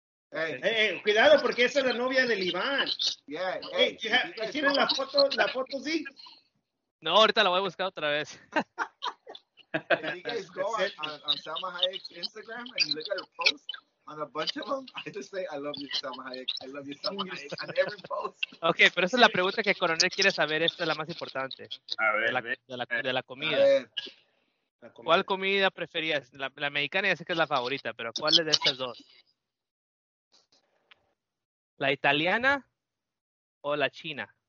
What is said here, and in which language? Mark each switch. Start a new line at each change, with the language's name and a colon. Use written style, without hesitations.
Spanish: Hey, cuidado porque esa es la novia del Iván. Yeah, ¿tienes la foto sí? No, ahorita la voy a buscar otra vez.
English: If you guys go on Salma Hayek's Instagram and you look at her post on a bunch of them, I just say, I love you, Salma Hayek. I love you, Salma Hayek, on every post.
Spanish: Okay, pero esa es la pregunta que Coronel quiere saber. Esta es la más importante. A ver. De la comida. A ver. ¿Cuál comida preferías? La mexicana ya sé que es la favorita, pero ¿cuál es de estas dos? ¿La italiana o la china?